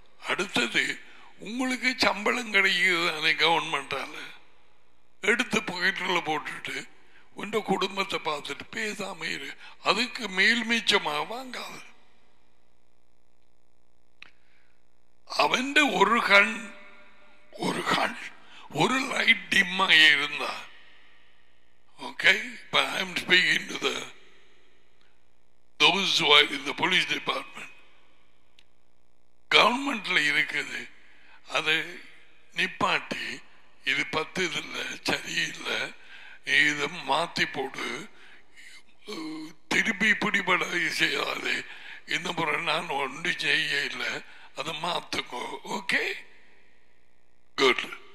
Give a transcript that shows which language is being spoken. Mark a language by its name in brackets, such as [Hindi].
[Tamil] அடுத்தது உங்களுக்கு சம்பளம் கிடைக்குது தானே கவர்மெண்டால, எடுத்து பகிட்டுல போட்டுட்டு உன் குடும்பத்தை பார்த்துட்டு பேசாம இரு, அதுக்கு மேல் மீச்சமாக வாங்காது. அவன் ஒரு கண் ஒரு கண் ஒரு லைட் டிம் ஆகி இருந்தா okay. [English] But I'm speaking to those who are in the police department. [Tamil] கவர்மெண்ட்ல இருக்குது அதை நிப்பாட்டி இது பத்து இது இல்லை சரியில்லை இதை மாத்தி போடு திருப்பி பிடிபட செய்யாது இந்த முறை நான் ஒன்று செய்ய இல்லை அதை மாத்துக்கோ ஓகே குட்.